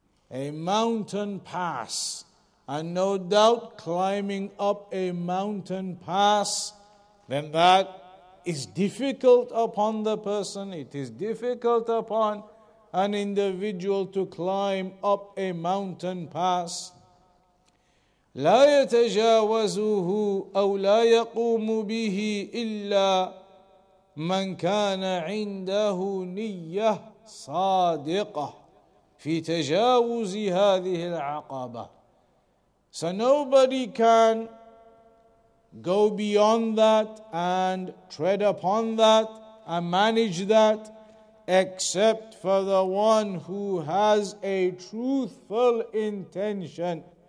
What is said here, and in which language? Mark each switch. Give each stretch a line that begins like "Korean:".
English: A mountain pass. And no doubt climbing up a mountain pass, then that is difficult upon the person. It is difficult upon an individual to climb up a mountain pass.
Arabic: لا يتجاوزه أو لا يقوم به إلا من كان عنده نية صادقة في تجاوز هذه العقبة.
English: So nobody can go beyond that and tread upon that and manage that except for the one who has a truthful intention.